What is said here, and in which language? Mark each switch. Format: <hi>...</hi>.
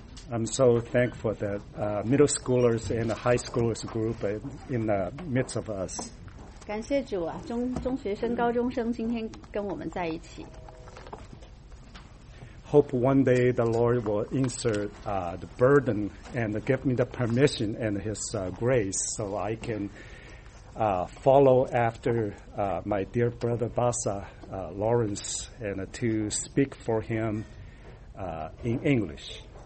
<en>I'm so thankful that middle schoolers and the high schoolers group are in the midst of us.</en> <zh>感谢主啊，中学生、高中生今天跟我们在一起。</zh> <en>Hope one day the Lord will insert the burden and give me the permission and His grace so I can follow after my dear brother Basa Lawrence and to speak for him in English.</en>